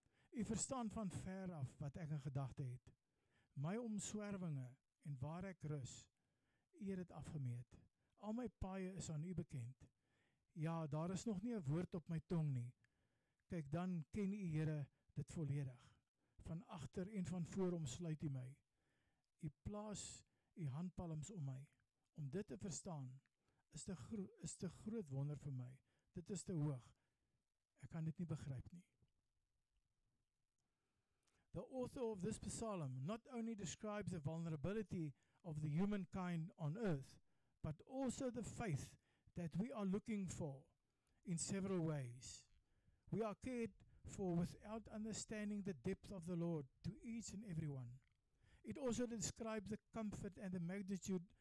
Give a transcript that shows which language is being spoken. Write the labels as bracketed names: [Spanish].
[Afrikaans] U verstaan van ver af wat ek in gedagte het. My omswervinge en waar ek rus, u het dit afgemeet. Al my paaie is aan u bekend. Ja, daar is nog nie 'n woord op my tong nie. Kyk, dan ken u, Here, dit volledig. Van agter en van voor omsluit u my. U plaas u handpalms om my. Om dit te verstaan is te groot wonder vir my. Dit is te hoog. Ek kan dit nie begryp nie. [English] The author of this psalm not only describes the vulnerability of the humankind on earth, but also the faith that we are looking for in several ways. We are cared for without understanding the depth of the Lord to each and everyone. It also describes the comfort and the magnitude